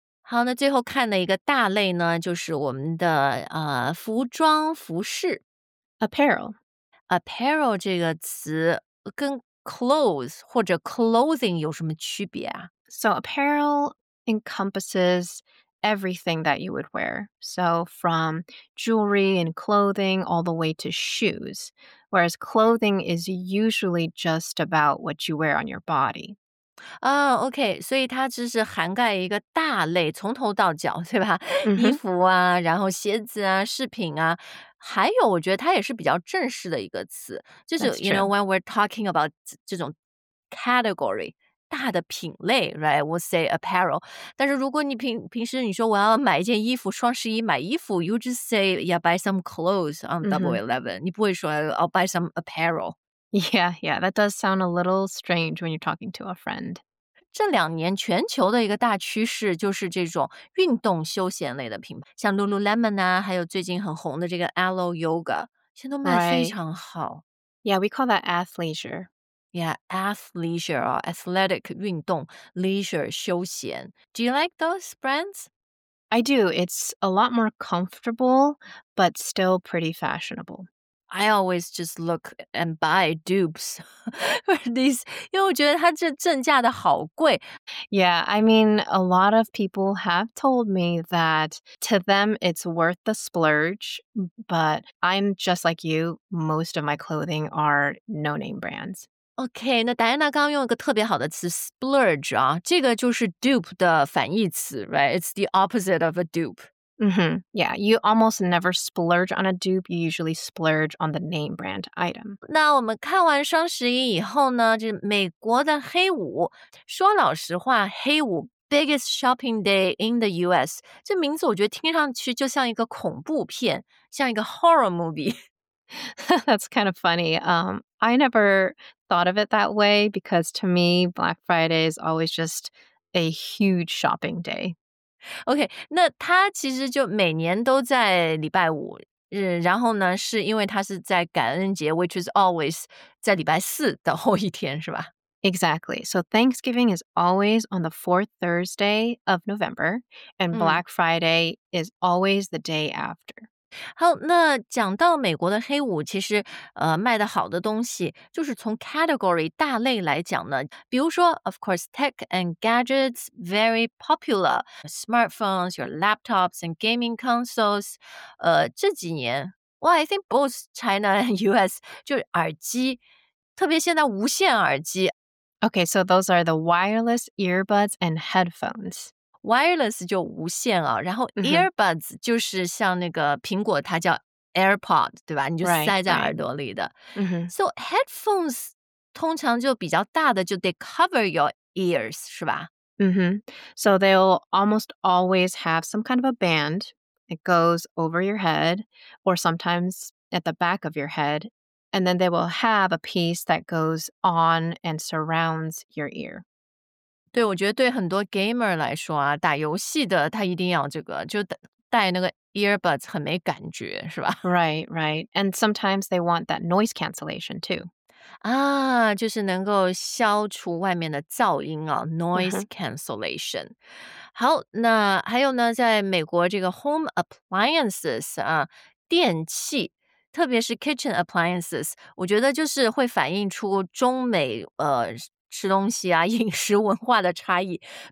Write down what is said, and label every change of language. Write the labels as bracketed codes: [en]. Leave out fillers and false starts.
[zh] 好，那最后看的一个大类呢，就是我们的服装服饰 [en] ，apparel。 [zh] apparel 这个词跟 clothes 或者 clothing 有什么区别啊 [en] ？So apparel encompasses everything that you would wear. So from jewelry and clothing all the way to shoes. Whereas clothing is usually just about what you wear on your body. [zh] OK, 所以它只是涵盖一个大类，从头到脚，对吧？衣服啊，然后鞋子啊，饰品啊，还有我觉得它也是比较正式的一个词，就是 [en] you know, when we're talking about [zh] 这种 category, 大的品类 [en] right, we'll say apparel, [zh] 但是如果你平时你说我要买一件衣服，双十一买衣服， [en] you just say, yeah, buy some clothes on Double Eleven, [zh] 你不会说 [en] I'll buy some apparel. Yeah, that does sound a little strange when you're talking to a friend. [zh] 这两年全球的一个大趋势就是这种运动休闲类的品牌，像 Lululemon 啊，还有最近很红的这个 Aloe Yoga, 现在都卖非常好。 [en] Right. Yeah, we call that athleisure. Yeah, athleisure, athletic, 运动 leisure, 休闲。 Do you like those brands? I do. It's a lot more comfortable, but still pretty fashionable. I always just look and buy dupes for these, [zh] 因为我觉得它这正价的好贵。 [en] Yeah, I mean, a lot of people have told me that to them it's worth the splurge, but I'm just like you, most of my clothing are no-name brands. [zh] Okay, 那戴安娜刚刚用一个特别好的词 splurge 啊，这个就是 dupe 的反义词 right? [en] It's the opposite of a dupe. Yeah, you almost never splurge on a dupe. You usually splurge on the name brand item. [zh] 那我们看完双十一以后呢，就是美国的黑五。说老实话， [en] 黑五 biggest shopping day in the U.S. [zh] 这名字我觉得听上去就像一个恐怖片，像一个 horror movie. [en] That's kind of funny. I never thought of it that way because to me, Black Friday is always just a huge shopping day. [zh] OK, 那它其实就每年都在礼拜五，然后呢，是因为它是在感恩节 , [en] which is always [zh] 在礼拜四的后一天，是吧 [en] ?Exactly. So Thanksgiving is always on the fourth Thursday of November, and Black Friday is always the day after. [zh] 好，那讲到美国的黑五，其实卖的好的东西就是从 category 大类来讲呢，比如说 [en] of course tech and gadgets very popular, smartphones, your laptops and gaming consoles, [zh] 这几年 [en] well I think both China and US [zh] 就是耳机，特别现在无线耳机。 [en] Okay, so those are the wireless earbuds and headphones. [zh] Wireless 就无线啊，然后 earbuds 就是像那个苹果，它叫 AirPod， 对吧？你就塞在耳朵里的。 So headphones 通常就比较大的，就 [en] they cover your ears， [zh] 是吧？ [en] So they'll almost always have some kind of a band that goes over your head, or sometimes at the back of your head, And then they will have a piece that goes on and surrounds your ear. [zh] 对，我觉得对很多 gamer 来说啊，打游戏的他一定要这个，就戴那个 earbuds 很没感觉，是吧？ [en] Right, right. And sometimes they want that noise cancellation too. [zh] 啊，就是能够消除外面的噪音啊 ，noise cancellation。好，那还有呢，在美国这个 home appliances 啊，电器。特别是 kitchen appliances， 我觉得就是会反映出中美吃东西啊饮食文化的差异。